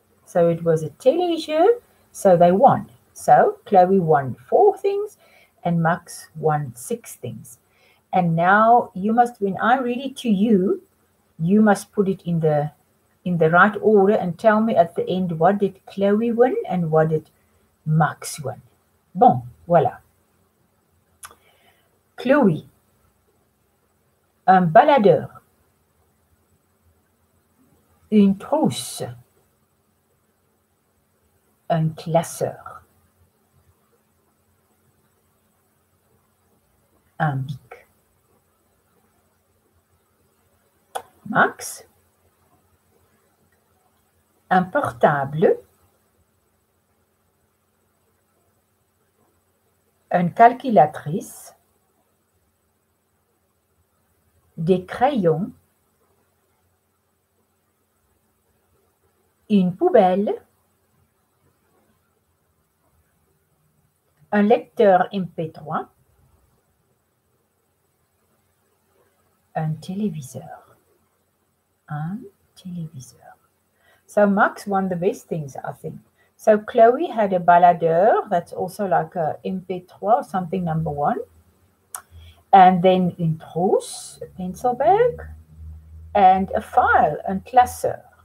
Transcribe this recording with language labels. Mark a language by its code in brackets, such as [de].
[en] So it was a teleger, so they won. So Chloe won 4 things and Max won 6 things. And now you must, when I read it to you, you must put it in the right order and tell me at the end, what did Chloe win and what did Max win? [fr] Bon, voilà. Chloe, un baladeur, une trousse, un classeur, un bic. Max, un portable, une calculatrice, des crayons, une poubelle, un lecteur MP3, un téléviseur. Un téléviseur. [en] So Max won the best things, I think. So Chloe had a baladeur, that's also like a MP3 or something, number one. And then [fr] une trousse, [en] a pencil bag. And a file, [fr] un classeur.